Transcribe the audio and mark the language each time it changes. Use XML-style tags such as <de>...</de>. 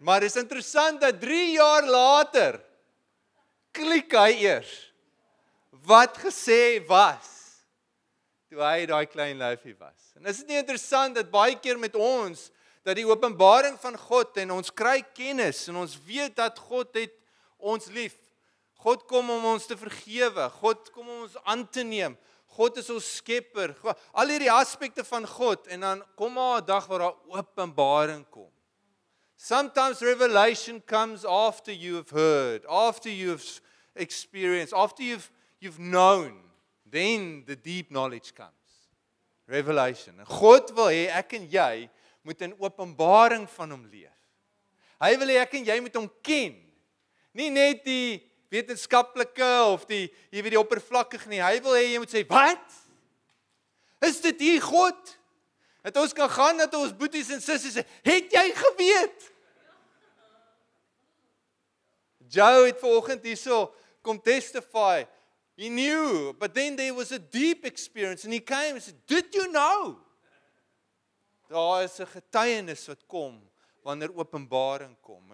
<af>Maar is interessant dat 3 jaar later, klik hy eers, wat gesê was, toe hy daai klein lyfie was. En is dit nie interessant dat baie keer met ons, dat die openbaring van God en ons kry kennis en ons weet dat God het ons lief. God kom om ons te vergewe. God kom om ons aan te neem. God is ons skepper. Al hierdie aspekte van God en dan kom maar 'n dag waar daar openbaring kom.</af> <en>Sometimes revelation comes after you've heard, after you've experienced, after you've known, then the deep knowledge comes.</en> <af>Revelation. God wil hê ek en jy moet in openbaring van hom leef. Hy wil hê ek en jy moet hom ken. Nie net die wetenskaplike of die jy weet die oppervlakkige nie. Hy wil hê jy moet sê, "Wat? Is dit hier God?" Dat ons kan gaan dat ons boeties en sissies sê, "Het jy geweet?" Joe het vanoggend hierso kom testify.</af> <en>He knew, but then there was a deep experience and he came and said, "Did you know?"</en> <af>Daar is 'n getuienis wat kom wanneer openbaring kom.</af>